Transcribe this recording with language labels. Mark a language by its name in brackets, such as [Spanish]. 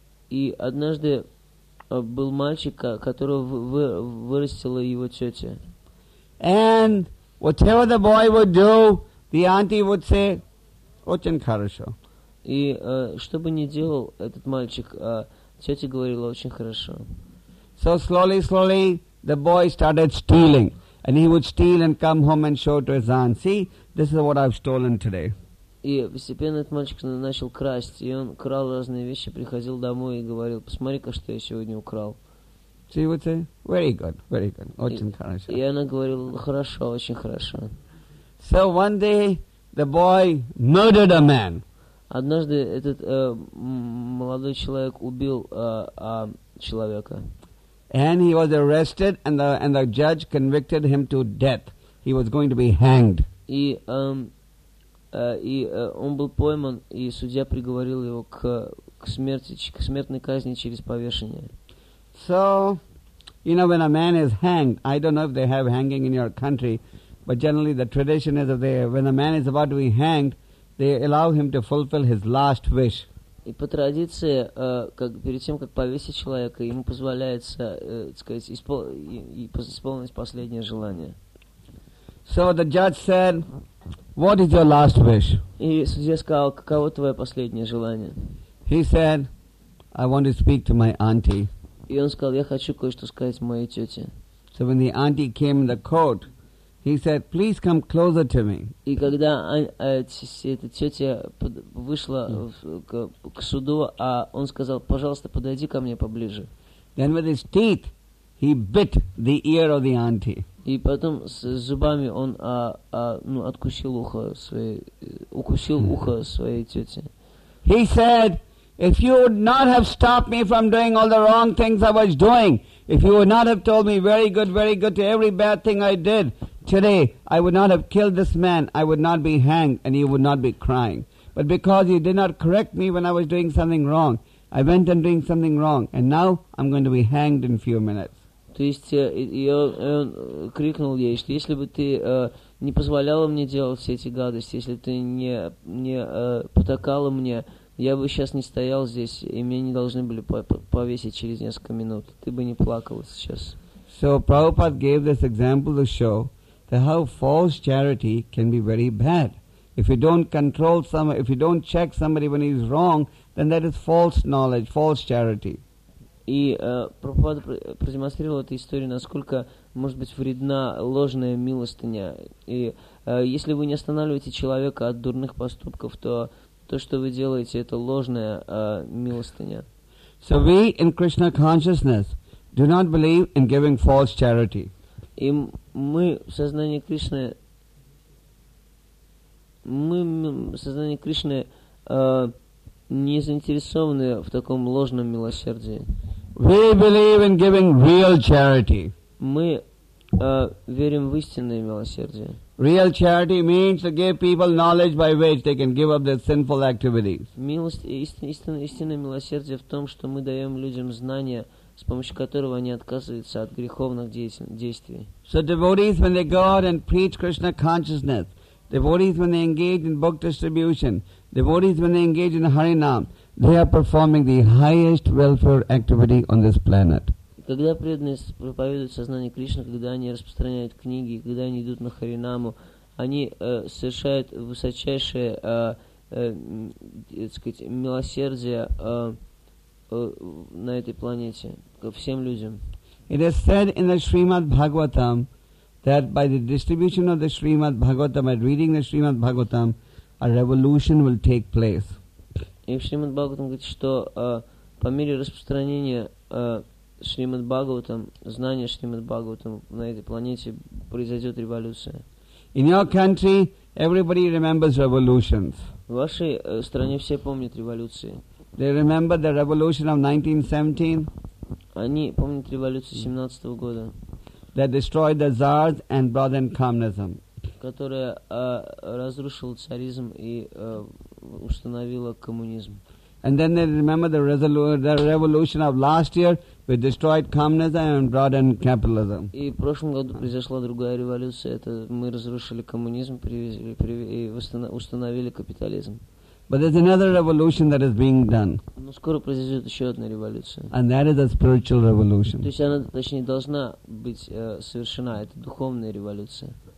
[Russian] И однажды был мальчик, которого вырастила его тетя. [English] And whatever the boy would do, the auntie would say, [Russian] очень хорошо. И что бы ни делал этот мальчик, тетя говорила, очень хорошо. [English] So slowly, the boy started stealing. And he would steal and come home and show to his aunt, see, this is what I've stolen today. [Russian] И постепенно этот мальчик начал красть, и он крал разные вещи, приходил домой и говорил, посмотри-ка, что я сегодня украл. [English] She would say, very good, [Russian] очень хорошо. И она говорила, хорошо, очень хорошо. [English] So one day, the boy murdered a man. [Russian] Однажды этот молодой человек убил человека. [English] And he was arrested, and the judge convicted him to death. He was going to be hanged. [Russian] И он был пойман, и судья приговорил его к смертной казни через повешение. [English] So, You know, when a man is hanged, I don't know if they have hanging in your country, but generally the tradition is that when a man is about to be hanged, they allow him to fulfill his last wish. [Russian] И по традиции, как перед тем, как повесить человека, ему позволяется, исполнить последнее желание. [English] So the judge said, "What is your last wish?" [Russian] И судья сказал, каково твое последнее желание? [English] He said, "I want to speak to my auntie." [Russian] И он сказал, я хочу кое-что сказать моей тете. [English] So when the auntie came in the court, he said, "Please come closer to me." [Russian] И когда эта тетя вышла к суду, а он сказал, пожалуйста, подойди ко мне поближе. [English] Then with his teeth, he bit the ear of the auntie. [Russian] И потом с зубами он откусил ухо своей, укусил ухо своей тети. [English] He said, "If you would not have stopped me from doing all the wrong things I was doing, if you would not have told me very good to every bad thing I did, today I would not have killed this man, I would not be hanged, and you would not be crying. But because you did not correct me when I was doing something wrong, I went and doing something wrong, and now I'm going to be hanged in a few minutes." [Russian] То есть, он крикнул ей, что если бы ты не позволяла мне делать все эти гадости, если ты не потакала мне, я бы сейчас не стоял здесь, и меня не должны были повесить через несколько минут. Ты бы не плакала сейчас. [English] So Prabhupada gave this example to show that how false charity can be very bad. If you don't control somebody, if you don't check somebody when he's wrong, then that is false knowledge, false charity. [Russian] И Прабхупада продемонстрировал эту историю, насколько может быть вредна ложная милостыня. И если вы не останавливаете человека от дурных поступков, то то, что вы делаете, это ложная милостыня. [English] So we in Krishna consciousness do not believe in giving false charity. [Russian] И мы в сознании Кришны, не заинтересованы в таком ложном милосердии. [English] We believe in giving real charity. [Russian] Мы верим в истинное милосердие. [English] Real charity means to give people knowledge by which they can give up their sinful activities. [Russian] Истинное милосердие в том, что мы даем людям знания, с помощью которого они отказываются от греховных действий. [English] So devotees, when they go out and preach Krishna consciousness, devotees, when they engage in book distribution, devotees, when they engage in Harinam, they are performing the highest welfare activity on this planet. [Russian] Когда преданные проповедуют сознание Кришны, когда они распространяют книги, когда они идут на Харинаму, они совершают высочайшее, милосердие на этой планете, ко всем людям. [English] It is said in the Srimad Bhagavatam that by the distribution of the Srimad Bhagavatam, by reading the Srimad Bhagavatam, a revolution will take place. [Russian] И в Шримад Бхагаватам говорится, что по мере распространения Шримад Бхагаватам, знания Шримад Бхагаватам на этой планете произойдет революция. [English] In your country, everybody remembers revolutions. [Russian] В вашей стране все помнят революции. [English] They remember the revolution of 1917. [Russian] Они помнят революцию 1917 года. [English] That destroyed the czars and brought in communism. [Russian] Которая разрушила царизм и установила коммунизм. [English] And then they remember the revolution of last year, which destroyed communism and brought in capitalism. [Russian] И в прошлом году произошла другая революция. Это мы разрушили коммунизм и установили капитализм. [English] But there's another revolution that is being done. [Russian] Но скоро произойдет еще одна революция. [English] And that is a spiritual revolution. [Russian] То есть она, точнее, должна быть совершена. Это духовная революция.